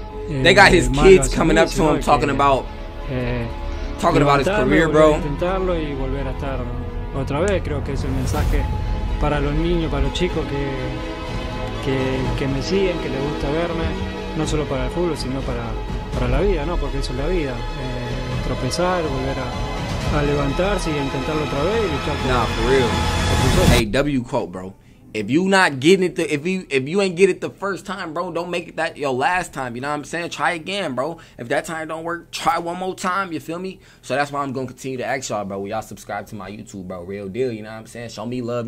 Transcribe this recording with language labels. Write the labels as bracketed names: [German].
[English] They got his kids coming up to him talking about his career, bro. [Spanish] Intentarlo y volver a estar otra vez, creo que es el mensaje para los niños, para los chicos que que me siguen, que les gusta verme, no solo para el fútbol, sino para la vida, ¿no? Porque eso es la vida, tropezar, volver a levantarse y intentarlo otra vez y luchar. [English] Nah, for real. Hey, W quote, bro. If you not getting it, if you ain't get it the first time, bro, don't make it that your last time. You know what I'm saying? Try again, bro. If that time don't work, try one more time. You feel me? So that's why I'm going to continue to ask y'all, bro. Will y'all subscribe to my YouTube, bro? Real deal. You know what I'm saying? Show me love.